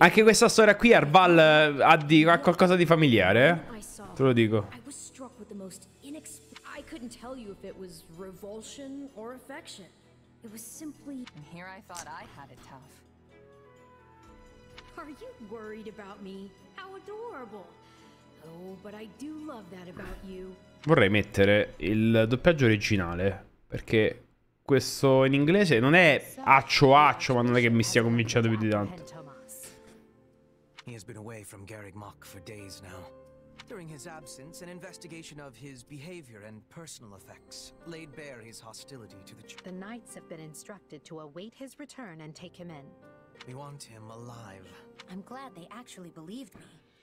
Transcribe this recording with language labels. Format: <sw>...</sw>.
<it>Anche questa storia qui, Arval, ha qualcosa di familiare, eh? Te lo dico.</it> <en>I was struck with the most I couldn't tell you if it was revulsion or affection. It was simply. And here I thought I had it tough. Are you worried about me? How adorable. Oh, but I do love that about you.</en> <it>Vorrei mettere il doppiaggio originale, perché questo in inglese non è accio accio, ma non è che mi stia convincendo più di tanto.</it> <en>He has been away from Garrick Mock for days now. During his absence, an investigation of his behavior and personal effects laid bare his hostility to the The knights have been instructed to await his return and take him in. We want him alive. I'm glad they actually believed me.</en>